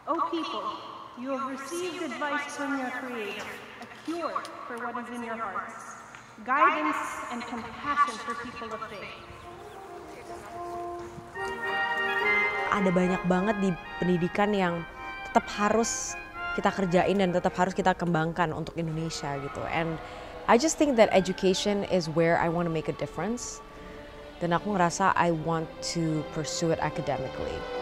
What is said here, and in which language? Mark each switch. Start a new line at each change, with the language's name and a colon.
English: People, you have received advice from your Creator, a cure for what is in your hearts, guidance and compassion for people of faith.
Indonesian: Ada banyak banget di pendidikan yang tetap harus kita kerjain dan tetap harus kita kembangkan untuk Indonesia gitu.
English: And I just think that education is where I want to make a difference.
Indonesian: Dan aku ngerasa
English: I want to pursue it academically.